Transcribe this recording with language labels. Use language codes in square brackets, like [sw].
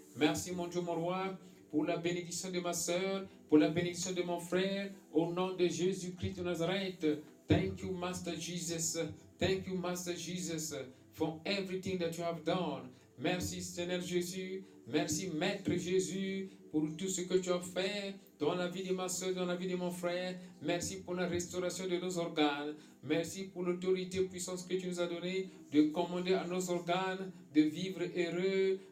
[fr] Merci mon Dieu, mon roi, pour la bénédiction de ma soeur, pour la bénédiction de mon frère, au nom de Jésus-Christ de Nazareth. [en] Thank you, Master Jesus. Thank you, Master Jesus, for everything that you have done. [fr] Merci Seigneur Jésus. Merci Maître Jésus pour tout ce que tu as fait dans la vie de ma soeur, dans la vie de mon frère. Merci pour la restauration de nos organes. Merci pour l'autorité et puissance que tu nous as donnée de commander à nos organes de vivre heureux.